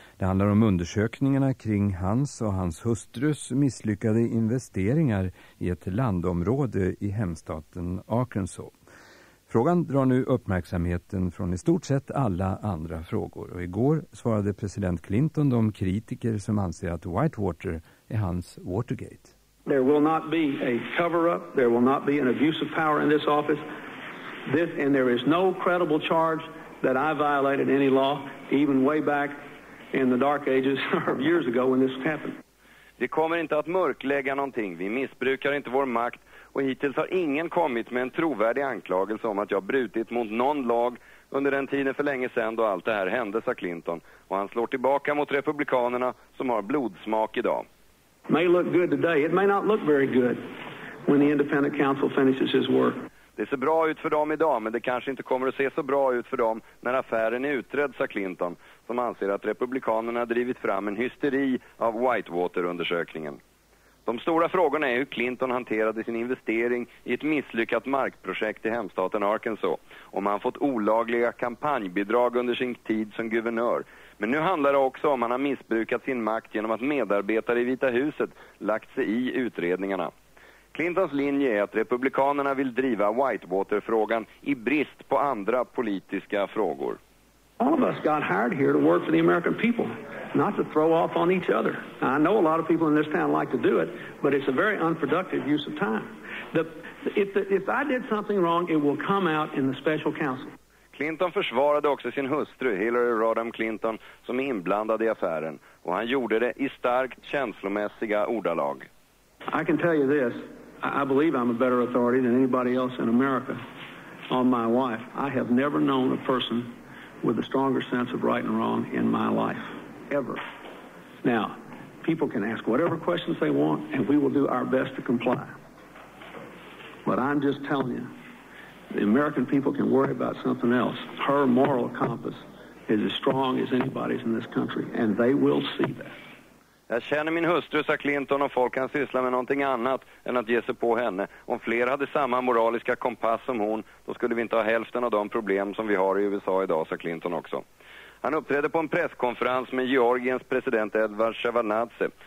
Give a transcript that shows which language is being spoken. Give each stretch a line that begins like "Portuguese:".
Swedish: Det handlar om undersökningarna kring hans och hans hustrus misslyckade investeringar i ett landområde i hemstaten Arkansas. Frågan drar nu uppmärksamheten från i stort sett alla andra frågor. Och igår svarade president Clinton de kritiker som anser att Whitewater är hans Watergate.
English: There will not be a cover-up. There will not be an abuse of power in this office. This, and there is no credible charge that I violated any law, even way back in the dark ages of years ago when this happened.
Swedish: Vi kommer inte att mörklägga någonting. Vi missbrukar inte vår makt. Och hittills har ingen kommit med en trovärdig anklagelse om att jag brutit mot någon lag under den tiden för länge sedan då allt det här hände, sa Clinton. Och han slår tillbaka mot republikanerna som har blodsmak idag.
English: May look good today. It may not look very good when the independent counsel finishes his work.
Swedish: Det ser bra ut för dem idag, men det kanske inte kommer att se så bra ut för dem när affären är utredd, sa Clinton, som anser att republikanerna drivit fram en hysteri av Whitewater-undersökningen. De stora frågorna är hur Clinton hanterade sin investering i ett misslyckat markprojekt i hemstaten Arkansas, om han fått olagliga kampanjbidrag under sin tid som guvernör. Men nu handlar det också om att han har missbrukat sin makt genom att medarbetare i Vita huset lagt sig i utredningarna. Clintons linje är att republikanerna vill driva Whitewater-frågan i brist på andra politiska frågor.
English: All of us got hired here to work for the American people, not to throw off on each other. Now, I know a lot of people in this town like to do it, but it's a very unproductive use of time. If I did something wrong, it will come out in the special counsel.
Swedish: Clinton försvarade också sin hustru Hillary Rodham Clinton som är inblandad i affären, och han gjorde det i starkt känslomässiga ordalag.
English: I can tell you this. I believe I'm a better authority than anybody else in America on my wife. I have never known a person with a stronger sense of right and wrong in my life, ever. Now, people can ask whatever questions they want, and we will do our best to comply. But I'm just telling you, the American people can worry about something else. Her moral compass is as strong as anybody's in this country, and they will see that.
Swedish: Jag känner min hustru, sa Clinton, och folk kan syssla med någonting annat än att ge sig på henne. Om fler hade samma moraliska kompass som hon, då skulle vi inte ha hälften av de problem som vi har i USA idag, sa Clinton också. Han uppträdde på en presskonferens med Georgiens president Edvard Shevardnadze.